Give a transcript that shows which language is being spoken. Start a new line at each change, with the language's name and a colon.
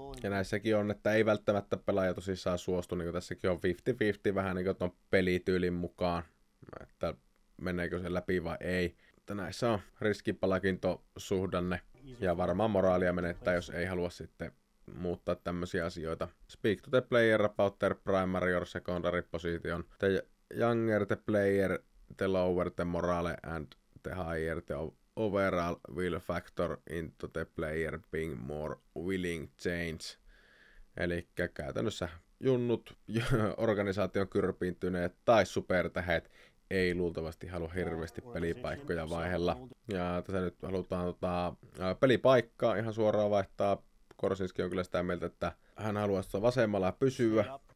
Finnish: Ja näissäkin on, että ei välttämättä pelaaja tosissaan suostu, niin kuin tässäkin on 50-50 vähän niin kuin tuon pelityylin mukaan, että meneekö se läpi vai ei. Mutta näissä on riskipalakintosuhdanne. Ja varmaan moraalia menettää, jos ei halua sitten muuttaa tämmöisiä asioita.
English: Speak to the player about their primary or secondary position. The younger the player, the lower the morale and the higher the overall will factor into the player being more willing change.
Finnish: Eli käytännössä junnut, organisaation kyrpiintyneet tai supertähet ei luultavasti halua hirveästi pelipaikkoja vaihella. Ja tässä nyt halutaan pelipaikkaa ihan suoraan vaihtaa. Korczynski on kyllä sitä mieltä, että hän haluaa sitä vasemmalla pysyä.